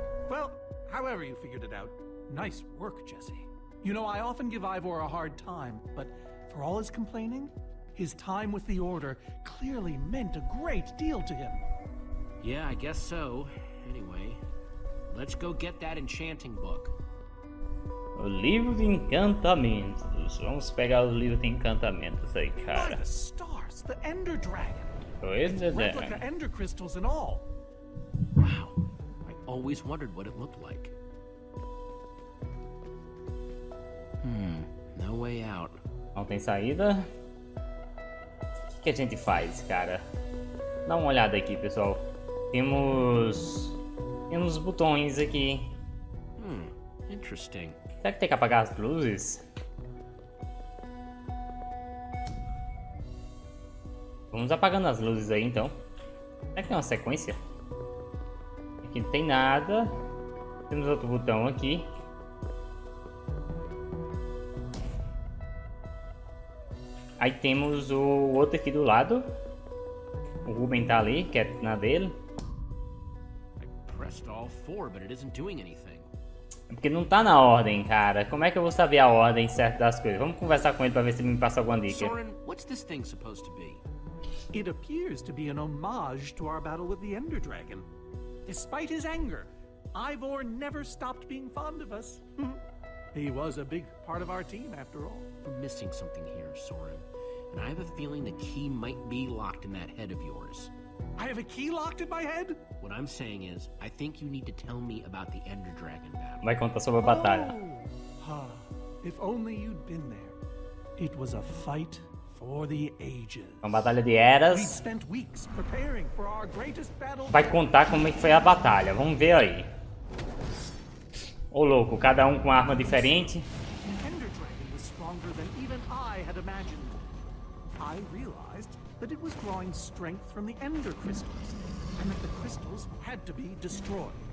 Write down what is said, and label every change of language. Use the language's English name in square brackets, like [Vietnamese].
[English] Well, however you figured it out. Nice work, Jesse. You know, I often give Ivor a hard time, but for all his complaining, his time with the Order clearly meant a great deal to him. Yeah, I guess so. Anyway, let's go get that enchanting book. [Portuguese] O livro de encantamentos. Vamos pegar o livro de encantamentos aí, cara. [English] By the stars, the Ender Dragon. [Portuguese] Pois é, [English] né? Replica Ender Crystals and all. Wow, I always wondered what it looked like. No way out. [Portuguese] Não tem saída. O que a gente faz, cara? Dá uma olhada aqui, pessoal. Temos botões aqui. [English] Interesting. [Portuguese] Será que tem que apagar as luzes? Vamos apagando as luzes aí, então. Será que tem uma sequência? Aqui não tem nada. Temos outro botão aqui. Aí temos o outro aqui do lado. O Ruben tá ali, que é na dele. [English] I pressed all four, but it isn't doing anything. [Portuguese] É porque não tá na ordem, cara. Como é que eu vou saber a ordem certa das coisas? Vamos conversar com ele pra ver se ele me passa alguma dica. [English] Soren, what's this thing supposed to be? It appears to be an homage to our battle with the Ender Dragon. Despite his anger, Ivor never stopped being fond of us. He was a big part of our team, after all. We're missing something here, Soren. And I have a feeling the key might be locked in that head of yours. I have a key locked in my head? What I'm saying is, I think you need to tell me about the Ender Dragon battle. [Portuguese] Vai contar sobre a batalha. [English] Oh, huh. If only you'd been there. It was a fight for the ages. [Portuguese] Uma batalha de eras. [English] We spent weeks preparing for our greatest battle. [Portuguese] Vai contar como é que foi a batalha. Vamos ver aí. Ô louco, cada um com arma diferente. O Ender Dragon era mais forte do que eu tinha imaginado. Eu percebi que ele estava ganhando força dos Ender Crystals. E que os Crystals tinham que ser destruídos.